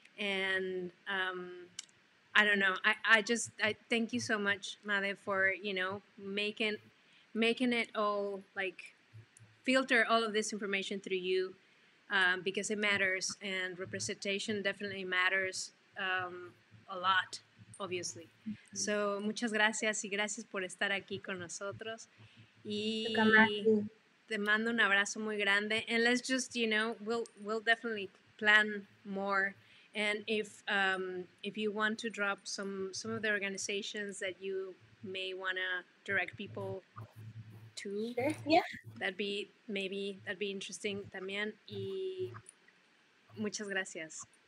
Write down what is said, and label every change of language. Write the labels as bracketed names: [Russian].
[English] And I don't know. I thank you so much, Made, for, you know, making it all, like filter all of this information through you. Because it matters, and representation definitely matters a lot, obviously. Mm-hmm. [Spanish] So, muchas gracias y gracias por estar aquí con nosotros. Y te mando un abrazo muy grande. [English] And let's just, you know, we'll definitely plan more. And if you want to drop some of the organizations that you may want to direct people to, sure. Yeah. That'd be interesting [Spanish] también. Y muchas gracias.